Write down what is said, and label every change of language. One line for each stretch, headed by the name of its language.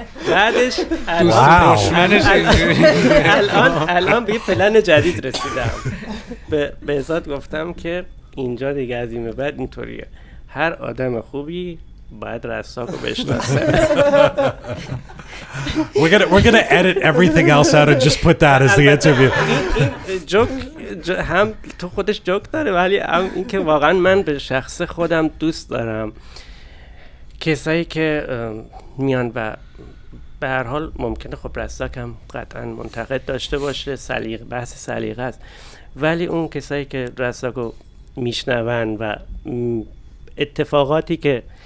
Persian: بعدش الان به یه پلن جدید رسیدم، به بهزاد گفتم که اینجا دیگه از این بعد اینطوریه، هر آدم خوبی باید رستاک رو بشناسه.
English: We're gonna edit everything else out and just put that as the interview.
Persian: joke هم تو خودش joke داره ولی این که واقعا من به شخص خودم دوست دارم کسایی که میان و به هر حال ممکنه خب رستاک هم قطعا منتقد داشته باشه سلیقه بحث سلیقه است ولی اون کسایی که رستاکو میشنون و اتفاقاتی که